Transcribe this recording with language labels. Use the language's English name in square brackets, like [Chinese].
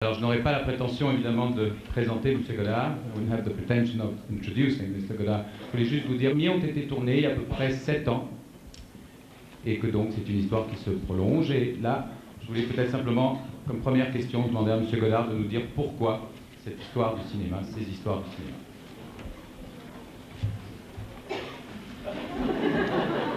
[French] Alors, je n'aurai pas la prétention, évidemment, de présenter M. Godard. [English] I wouldn't have the pretension of introducing Mr. Godard. [French] Je voulais juste vous dire, Mie ont été tournés il y a à peu près 7 ans, et que donc c'est une histoire qui se prolonge. Et là, je voulais peut-être simplement, comme première question, demander à M. Godard de nous dire pourquoi cette histoire du cinéma, ces histoires du cinéma.